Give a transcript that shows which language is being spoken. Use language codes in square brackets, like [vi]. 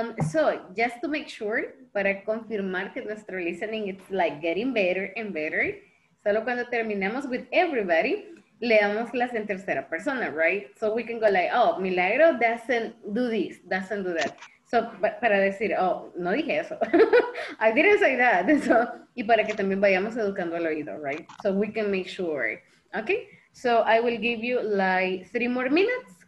[en] So, just to make sure, [es] para confirmar que nuestro [en] listening is like getting better and better, [es] solo cuando terminamos [en] with everybody, [es] le damos las en tercera persona, [en] right? So, we can go like, oh, Milagro doesn't do this, doesn't do that. [es] So, para decir, oh, no dije eso. [en] I didn't say that. [es] So, y para que también vayamos educando al oído, right? [en] So we can make sure. Okay? So I will give you like 3 more minutes.